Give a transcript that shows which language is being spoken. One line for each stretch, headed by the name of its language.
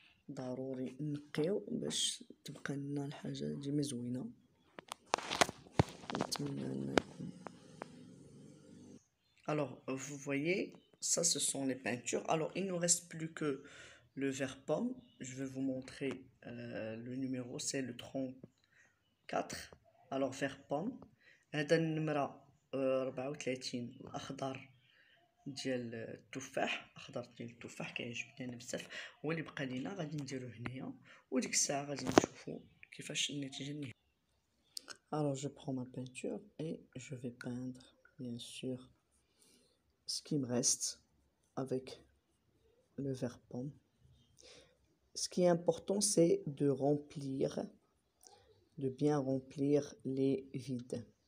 Arabic: ضروري نقيو باش تبقى لنا الحاجه ديما زوينه. نتمنى انكم
French: alors vous voyez ça ce sont les peintures. alors il ne reste plus que le vert pomme. Je vais vous montrer le numéro, c'est le 34. alors vert pomme,
Arabic: هذا النمره 34 الاخضر ديال التفاح، اخضر ديال التفاح كيعجبني انا بزاف، هو اللي بقى لينا. غادي نديرو هنايا وديك الساعه غادي نشوفو كيفاش النتيجه النهائيه.
French: Alors je prends ma peinture et je vais peindre bien sûr ce qui me reste avec le verre pomme. Ce qui est important, c'est de remplir, de bien remplir les vides.